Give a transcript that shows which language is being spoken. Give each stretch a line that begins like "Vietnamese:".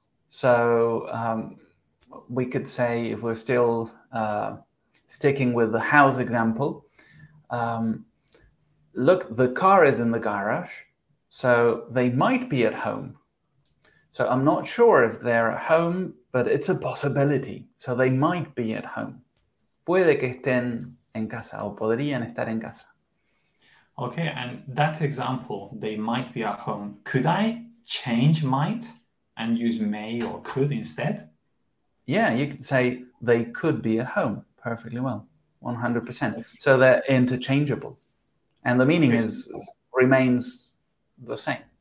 English: So we could say, if we're still sticking with the house example, look, the car is in the garage, so they might be at home. So I'm not sure if they're at home, but it's a possibility. So they might be at home.
Spanish: Puede que estén en casa, o podrían estar en casa.
English: Okay, and that example, they might be at home. Could I change might and use may or could instead? Yeah, you could say they could be at home perfectly well, 100%. So they're interchangeable. And the meaning remains the same.